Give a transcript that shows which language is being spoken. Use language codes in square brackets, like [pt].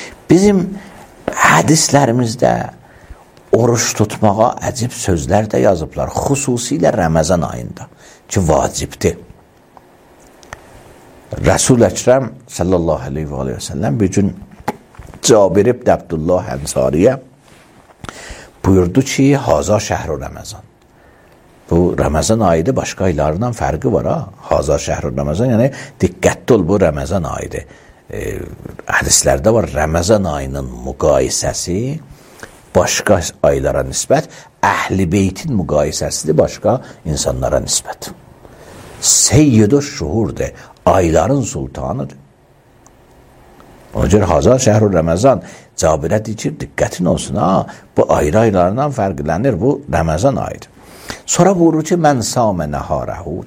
[az] Bizim hədislərimizdə oruç tutmağa əcib sözlər də yazıblar, xüsusilə Ramazan ayında ki, vacibdir. Rəsul Əkrəm sallallahu əleyhi və aleyhi və səlləm bir gün Cabir ibn Abdullah Ənsariyə buyurdu ki, [ar] haza şəhru Ramazan. [az] Bu, Ramazan ayıdır, başqa aylarından fərqi var, ha? [ar] Haza şəhru Ramazan, [az] yəni diqqətli ol, bu Ramazan ayıdır. Hədislərdə var, Ramazan ayının müqayisəsi başqa aylara nisbət, əhl-i beytin müqayisəsidir başqa insanlara nisbət. Seyyid-i şuhurdur, ayların sultanıdır. Onun üçün [ar] Haza şəhru Ramazan, [az] Cabirə deyir ki, diqqətin olsun, ha? Bu ayrı aylarından fərqlənir, bu Ramazan ayıdır. Sonra buyurur ki, [ar] mən samə nəharəhu.